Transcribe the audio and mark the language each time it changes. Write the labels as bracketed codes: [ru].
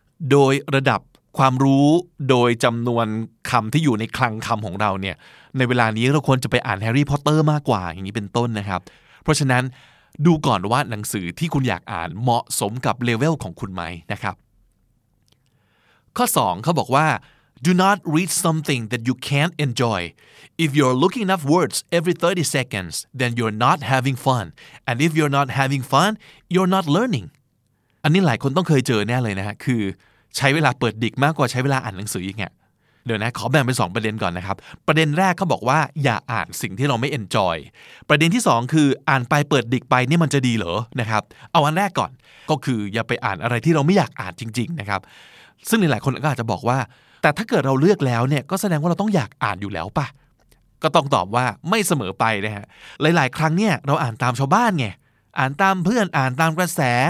[th] โดยระดับความรู้โดยจำนวนคำที่อยู่ในคลังคำของเราเนี่ยในเวลานี้เราควรจะไปอ่านแฮร์รี่พอตเตอร์มากกว่าอย่างนี้เป็นต้นนะครับเพราะฉะนั้นดูก่อนว่าหนังสือที่คุณอยากอ่านเหมาะสมกับเลเวลของคุณไหมนะครับข้อ2เขาบอกว่า [en] Do not read something that you can't enjoy. If you're looking enough words every 30 seconds, then you're not having fun. And if you're not having fun, you're not learning. [th] อันนี้หลายคนต้องเคยเจอแน่เลยนะฮะคือใช้เวลาเปิดดิกมากกว่าใช้เวลาอ่านหนังสืออีกไงเดี๋ยวนะขอแบ่งเป็น2ประเด็นก่อนนะครับประเด็นแรกเขาบอกว่าอย่าอ่านสิ่งที่เราไม่ enjoy ประเด็นที่2คืออ่านไปเปิดดิกไปนี่มันจะดีเหรอนะครับเอาอันแรกก่อนก็คืออย่าไปอ่านอะไรที่เราไม่อยากอ่านจริงๆนะครับซึ่งหลายคนก็อาจจะบอกว่าแต่ถ้าเกิดเราเลือกแล้วเนี่ยก็แสดงว่าเราต้องอยากอ่านอยู่แล้วป่ะก็ต้องตอบว่าไม่เสมอไปนะฮะหลายๆครั้งเนี่ยเราอ่านตามชาวบ้านไงอ่านตามเพื่อนอ่านตามกระแส